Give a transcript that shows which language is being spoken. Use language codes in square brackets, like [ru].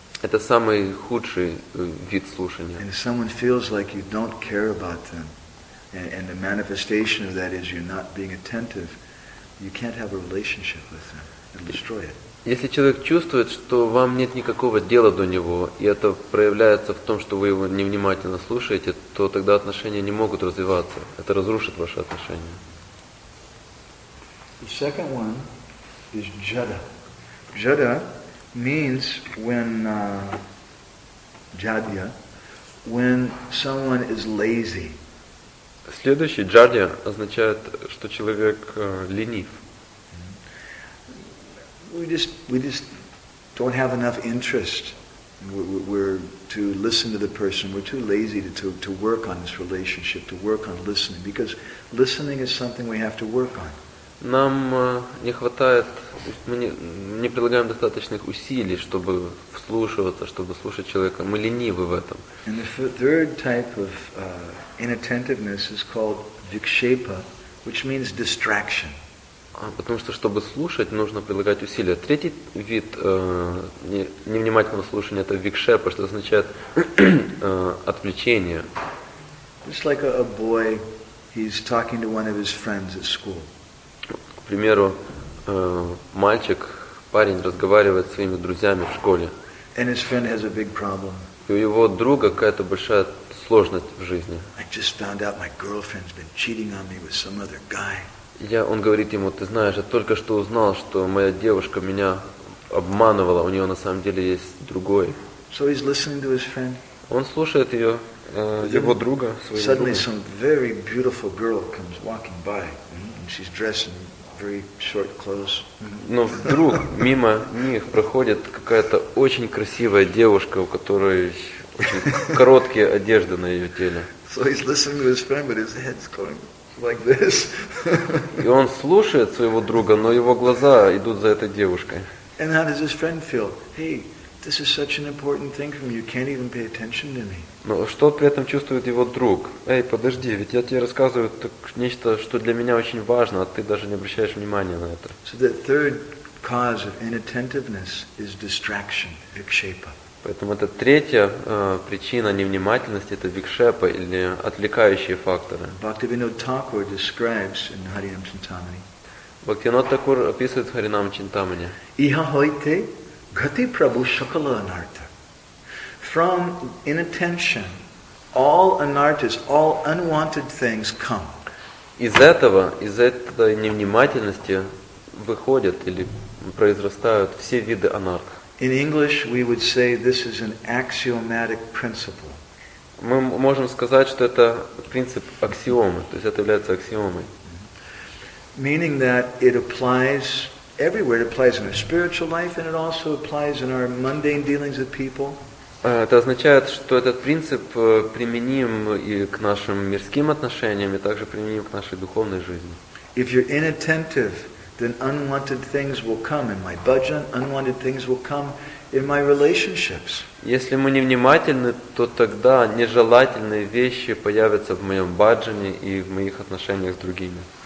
[ru] Это самый худший вид слушания. [en] And if someone feels like you don't care about them, and the manifestation of that is you're not being attentive, you can't have a relationship with them. It'll destroy it. [ru] Если человек чувствует, что вам нет никакого дела до него, и это проявляется в том, что вы его невнимательно слушаете, то тогда отношения не могут развиваться. Это разрушит ваши отношения. [en] The second one is jada. Jada means when jadya, when someone is lazy. [ru] Следующий jadya означает, что человек ленив. [en] We just don't have enough interest. We're to listen to the person. We're too lazy to work on this relationship, to work on listening, because listening is something we have to work on. [ru] Нам не хватает, мы не прилагаем достаточных усилий, чтобы вслушиваться, чтобы слушать человека. Мы ленивы в этом. [en] And the third type of inattentiveness is called vikshepa, which means distraction. [ru] Потому что, чтобы слушать, нужно прилагать усилия. Третий вид невнимательного слушания – это викшепа, что означает отвлечение. [en] Just like a boy, he's talking to one of his friends at school. [ru] К примеру, мальчик, парень разговаривает с своими друзьями в школе. [en] And his friend has a big problem. [ru] И у его друга какая-то большая сложность в жизни. [en] I just found out my girlfriend's been cheating on me with some other guy. [ru] Он говорит ему, ты знаешь, я только что узнал, что моя девушка меня обманывала, у нее на самом деле есть другой. [en] So he's listening to his friend. [ru] Он слушает ее, его друга, своего друга. [en] Suddenly some very beautiful girl comes walking by, and she's dressed in very short clothes. [ru] Но вдруг мимо них проходит какая-то очень красивая девушка, у которой очень короткие одежды на ее теле. [en] So he's listening to his friend, but his head's going... Like this. [ru] И он слушает своего друга, но его глаза идут за этой девушкой. [en] And how does his friend feel? Hey, this is such an important thing for me. You can't even pay attention to me. [ru] Но что при этом чувствует его друг? Эй, подожди, ведь я тебе рассказываю нечто, что для меня очень важно, а ты даже не обращаешь внимания на это. [en] So the third cause of inattentiveness is distraction, vikshepa. [ru] Поэтому это третья причина невнимательности, это викшепа или отвлекающие факторы. Бхактивинод Такур describes in Харинам Чинтамани. Бхактивинод Такур описывает в Харинам Чинтамани. [bn] Иха хойте гати прабу шакала анарта. [en] From inattention, all anartas, all unwanted things come. [ru] Из этой невнимательности выходят или произрастают все виды анарт. [en] In English, we would say this is an axiomatic principle. [ru] Мы можем сказать, что это принцип аксиомы, то есть это является аксиомой. [en] Meaning that it applies everywhere. It applies in our spiritual life, and it also applies in our mundane dealings with people. [ru] Это означает, что этот принцип применим и к нашим мирским отношениям, и также применим к нашей духовной жизни. [en] If you're inattentive, then unwanted things will come in my budget, unwanted things will come in my relationships. [ru] Если мы невнимательны, то тогда нежелательные вещи появятся в моем бюджете и в моих отношениях с другими.